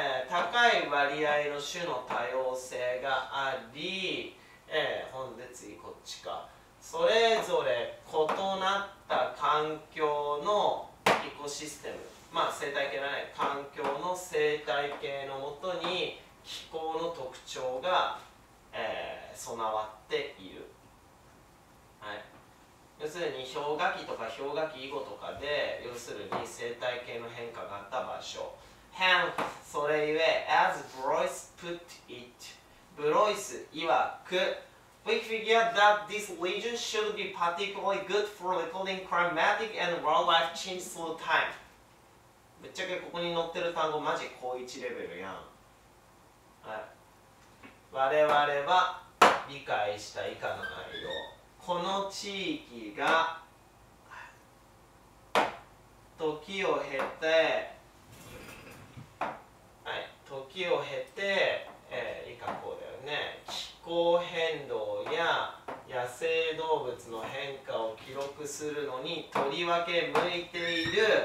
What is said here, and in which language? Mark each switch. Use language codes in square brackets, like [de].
[ja] 高い割合の種の多様性があり、本で次こっちか、それぞれ異なった環境のエコシステム、まあ生態系だね、環境の生態系のもとに、気候の特徴が、備わっている、はい、要するに氷河期とか氷河期以後とかで、要するに生態系の変化があった場所。 [en] Hence [ja] それゆえ [en] As Broyce put it [ja] ブロイス曰く [en] We figure that this region should be particularly good for recording climatic and wildlife change through time。 [ja] ぶっちゃけここに載ってる単語マジ高1レベルやん。はい、我々は理解した以下の内容、この地域が時を経て、はい、時を経て、以下こうだよね、気候変動や野生動物の変化を記録するのにとりわけ向いている。